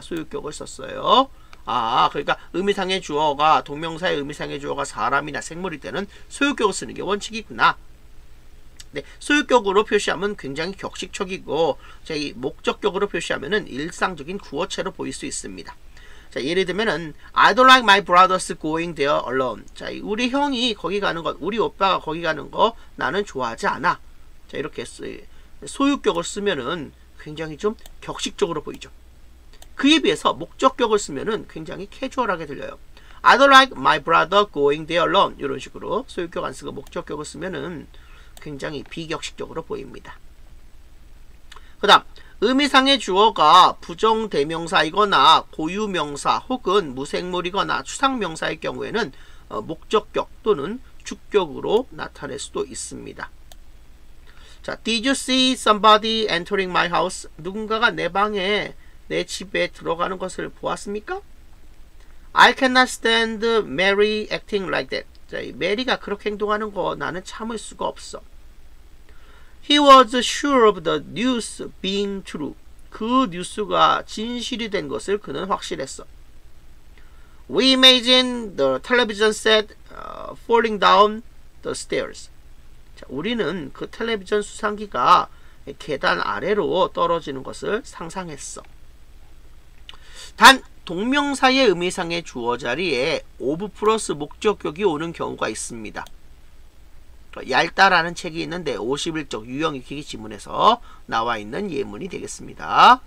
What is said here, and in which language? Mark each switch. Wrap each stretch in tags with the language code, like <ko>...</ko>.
<ko>소유격을 썼어요. 아, 그러니까 의미상의 주어가 동명사의 의미상의 주어가 사람이나 생물일 때는 소유격을 쓰는 게 원칙이구나. 네, 소유격으로 표시하면 굉장히 격식적이고, 자, 이 목적격으로 표시하면은 일상적인 구어체로 보일 수 있습니다.</ko> <en>자, 예를 들면은 I don't like my brothers going there alone.</en> <ko>자, 우리 형이 거기 가는 것, 우리 오빠가 거기 가는 거 나는 좋아하지 않아. 자, 이렇게 소유격을 쓰면은 굉장히 좀 격식적으로 보이죠. 그에 비해서 목적격을 쓰면은 굉장히 캐주얼하게 들려요.</ko> <en>I don't like my brother going there alone.</en> <ko>이런 식으로 소유격 안 쓰고 목적격을 쓰면은 굉장히 비격식적으로 보입니다. 그 다음, 의미상의 주어가 부정대명사이거나 고유명사 혹은 무생물이거나 추상명사의 경우에는 목적격 또는 주격으로 나타낼 수도 있습니다.</ko> <en>자, Did you see somebody entering my house?</en> <ko>누군가가 내 방에, 내 집에 들어가는 것을 보았습니까?</ko> <en>I cannot stand Mary acting like that.</en> <ko>자, 이 메리가 그렇게 행동하는 거 나는 참을 수가 없어.</ko> <en>He was sure of the news being true.</en> <ko>그 뉴스가 진실이 된 것을 그는 확실했어.</ko> <en>We imagine the television set falling down the stairs.</en> <ko>자, 우리는 그 텔레비전 수상기가 계단 아래로 떨어지는 것을 상상했어. 단, 동명사의 의미상의 주어 자리에 of 플러스 목적격이 오는 경우가 있습니다. 얇다라는 책이 있는데 51쪽 유형익히기 지문에서 나와 있는 예문이 되겠습니다.</ko>